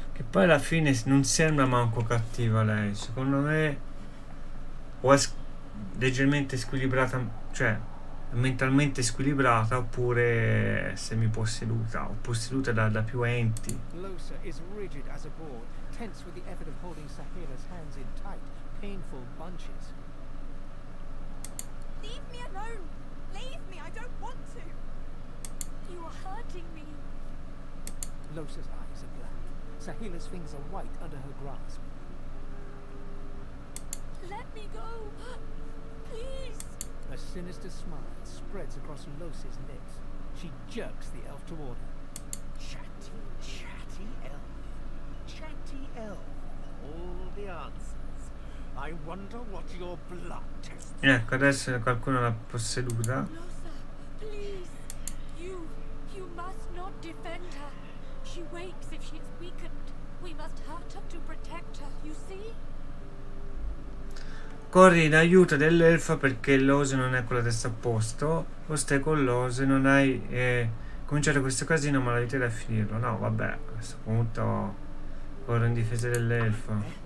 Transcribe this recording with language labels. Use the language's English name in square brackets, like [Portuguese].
[Italian] Poi alla fine non sembra manco cattiva lei, secondo me, o è leggermente squilibrata, cioè mentalmente squilibrata, oppure semiposseduta, o posseduta da più enti. [English] Losa is rigid as a board, tense with the effort of holding Sahira's hands in tight, painful bunches. Leave me alone! Leave me! I don't want to! You are hurting me! Losa's eyes are black. Sahila's fingers are white under her grasp. Let me go! Please! A sinister smile spreads across Losa's lips. She jerks the elf toward her. Chatty, chatty elf. Chatty elf. All the answers. I wonder what your blood test [Italian] is. Ecco, adesso qualcuno l'ha posseduta. [English] Losa, please! You must not defend her. She wakes if she's weakened. We must hurt her to protect her, you see? [Italian] Corri in aiuto dell'elfa perché Lose non è con la testa a posto. O stai con Lose, non hai cominciato questo casino, ma la vita è da finirlo. No, vabbè, a questo punto corro in difesa dell'elfa.